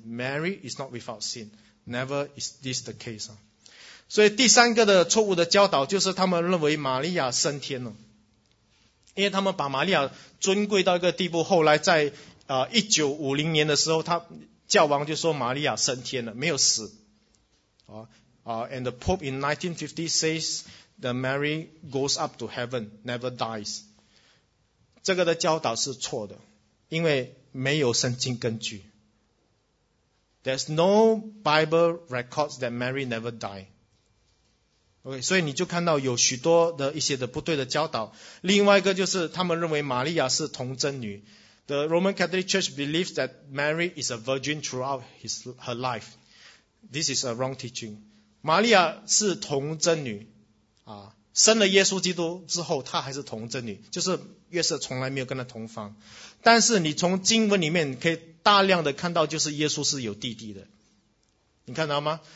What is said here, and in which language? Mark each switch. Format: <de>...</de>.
<en>Mary is not without sin. Never is this the case.</en> <zh>所以第三个的错误的教导就是他们认为玛利亚升天了。因为他们把玛利亚尊贵到一个地步，后来在1950年的时候他教王就说玛利亚升天了，没有死。</zh> <en>And the Pope in 1950 says that Mary goes up to heaven, never dies.</en> <zh>这个的教导是错的，因为没有圣经根据。</zh> <en>There's no Bible records that Mary never died.</en> <zh>OK, 所以你就看到有许多的一些的不对的教导。另外一个就是他们认为玛利亚是童贞女。</zh> <en>The Roman Catholic Church believes that Mary is a virgin throughout her life. This is a wrong teaching.</en> <zh>玛利亚是童贞女生了耶稣基督之后她还是童贞女，就是约瑟从来没有跟她同房。但是你从经文里面可以大量的看到，就是耶稣是有弟弟的，你看到吗？</zh>